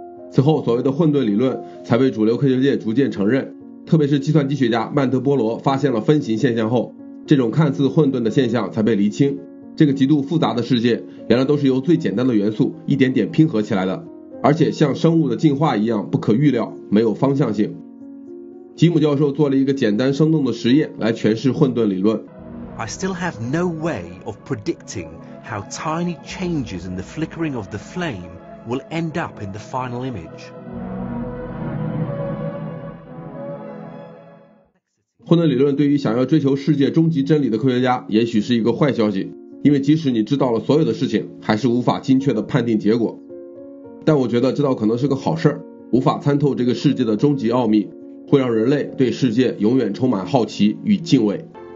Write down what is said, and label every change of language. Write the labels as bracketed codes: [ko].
[zh] 此后所谓的混沌理论才被主流科学界逐渐承认，特别是计算机学家曼德波罗发现了分形现象后，这种看似混沌的现象才被厘清。这个极度复杂的世界原来都是由最简单的元素一点点拼合起来的，而且像生物的进化一样不可预料，没有方向性。吉姆教授做了一个简单生动的实验来诠释混沌理论。 [en] I still have no way of predicting how tiny changes in the flickering of the flame will end up in the final image. [zh] 混沌理论对于想要追求世界终极真理的科学家也许是一个坏消息，因为即使你知道了所有的事情，还是无法精确地判定结果。但我觉得这倒可能是个好事，无法参透这个世界的终极奥秘，会让人类对世界永远充满好奇与敬畏。